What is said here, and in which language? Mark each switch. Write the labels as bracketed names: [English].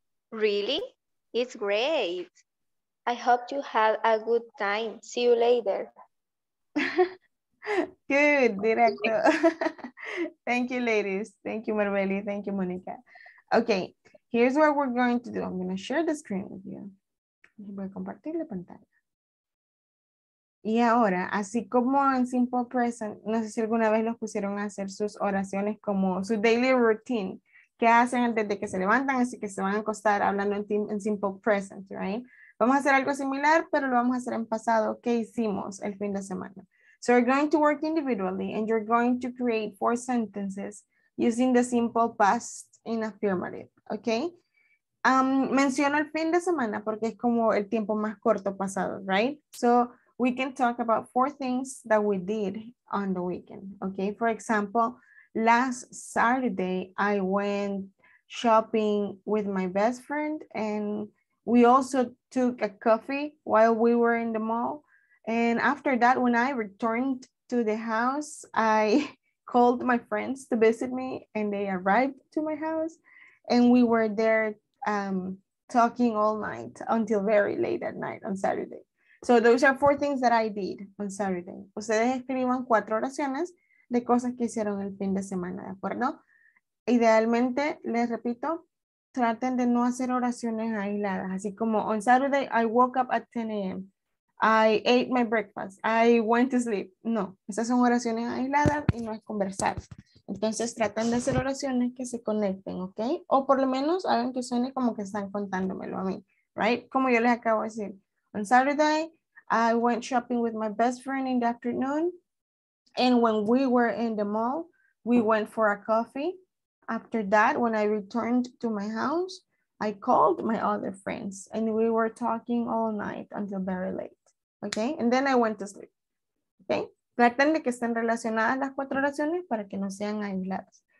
[English] Really? It's great. I hope you have a good time. See you later. Good, directo. Thank you, ladies. Thank you, Marbeli. Thank you, Monica. Okay, here's what we're going to do. I'm going to share the screen with you. [Spanish] Voy a compartir la pantalla. Y ahora, así como en Simple Present, no sé si alguna vez los pusieron a hacer sus oraciones como su daily routine. ¿Qué hacen desde que se levantan así que se van a acostar hablando en Simple Present, right? Vamos a hacer algo similar, pero lo vamos a hacer en pasado. ¿Qué hicimos el fin de semana? [English] So you're going to work individually and you're going to create 4 sentences using the simple past in affirmative, okay? [Spanish] Menciono el fin de semana porque es como el tiempo más corto pasado, right? [English] So we can talk about 4 things that we did on the weekend, okay? For example, last Saturday, I went shopping with my best friend and we also took a coffee while we were in the mall. And after that, when I returned to the house, I called my friends to visit me and they arrived to my house. And we were there talking all night until very late at night on Saturday. So those are 4 things that I did on Saturday. [Spanish] Ustedes escriban 4 oraciones de cosas que hicieron el fin de semana, ¿de acuerdo? Idealmente, les repito, traten de no hacer oraciones aisladas. Así como, [English] on Saturday, I woke up at 10 a.m. I ate my breakfast. I went to sleep. [Spanish] No, esas son oraciones aisladas y no es conversar. Entonces, traten de hacer oraciones que se conecten, ¿ok? O por lo menos hagan que suene como que están contándomelo a mí, right? Como yo les acabo de decir. [English] On Saturday, I went shopping with my best friend in the afternoon. And when we were in the mall, we went for a coffee. After that, when I returned to my house, I called my other friends and we were talking all night until very late. Okay? And then I went to sleep. Okay? [Spanish] Traten de que estén relacionadas las 4 oraciones para que no sean aisladas.